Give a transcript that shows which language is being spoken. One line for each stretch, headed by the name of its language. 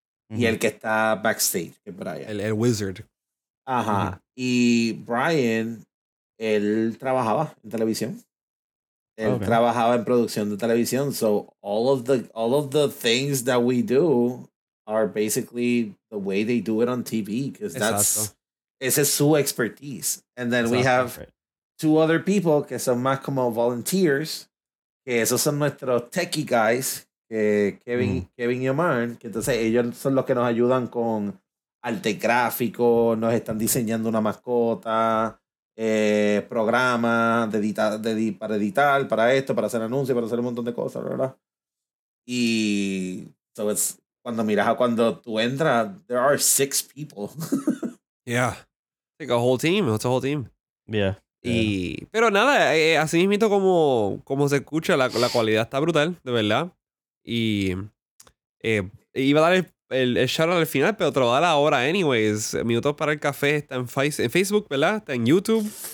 Spanish: Y el que está backstage, que es Brian. El wizard. Ajá. Uh-huh. Y Brian, él trabajaba en televisión. Él trabajaba en producción de televisión.
English: So all of the things that we do are basically the way they do it on TV. Because
Spanish: esa es su
English: expertise. And then we have 2 other people
Spanish: que son más como
English: volunteers.
Spanish: Que esos son nuestros techie guys. Kevin y Omar, que entonces ellos son los que nos ayudan con arte gráfico, nos están diseñando una mascota, programa de editar, para esto, para hacer anuncios, para hacer un montón de cosas, ¿verdad? Y entonces cuando tú entras,
English: there are 6 people. Yeah, like a whole team, it's a whole team. Yeah.
Spanish: Y pero nada, así mismo como se escucha, la cualidad está brutal, de verdad. Y iba a dar el shout out al final, pero te lo voy a dar ahora anyways. Minutos para el café está en Facebook, ¿verdad? Está en YouTube.